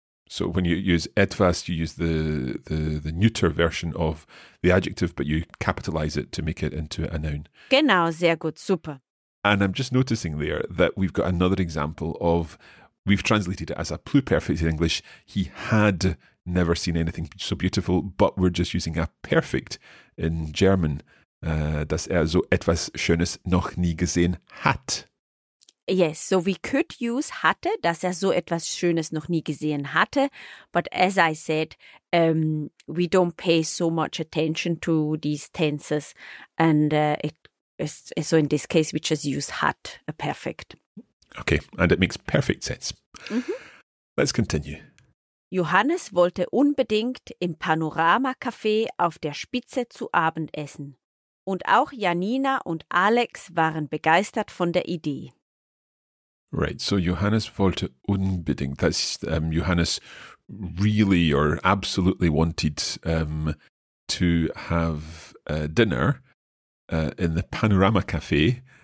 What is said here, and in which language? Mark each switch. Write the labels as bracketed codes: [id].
[en] So when you use etwas, you use the neuter version of the adjective, but you capitalize it to make it into a noun. [de] Genau, sehr gut, super. [en] And I'm just noticing there that we've got another example of we've translated it as a pluperfect in English. He had never seen anything so beautiful, but we're just using a perfect in German. [de] Dass er so etwas Schönes noch nie gesehen hat. [en] Yes, so we could use [de] hatte, dass er so etwas Schönes noch nie gesehen hatte. [en] But as I said, we don't pay so much attention to these tenses. And so in this case, we just use hat, a perfect. Okay, and it makes perfect sense. Mm-hmm. Let's continue. [de] Johannes wollte unbedingt im Panorama-Café auf der Spitze zu Abend essen. Und auch Janina und Alex waren begeistert von der Idee. [en] Right, so Johannes [de] wollte unbedingt. [en] That's Johannes really or absolutely wanted to have dinner in the Panorama Café.